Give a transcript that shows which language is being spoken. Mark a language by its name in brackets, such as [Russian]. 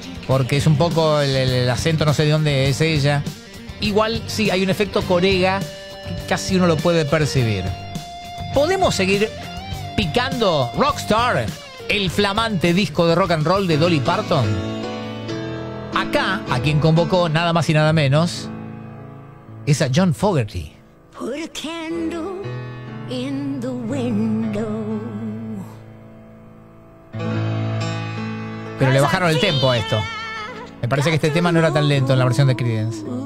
[Spanish] Porque es un poco el acento, no sé de dónde es ella. Igual, sí, hay un efecto Corega que casi uno lo puede percibir. ¿Podemos seguir picando Rockstar, el flamante disco de rock and roll de Dolly Parton? Acá, a quien convocó nada más y nada menos, es a John Fogerty. [English] Put a candle in the window. [Spanish] Pero le bajaron el tempo a esto. Me parece que este tema no era tan lento en la versión de Creedence.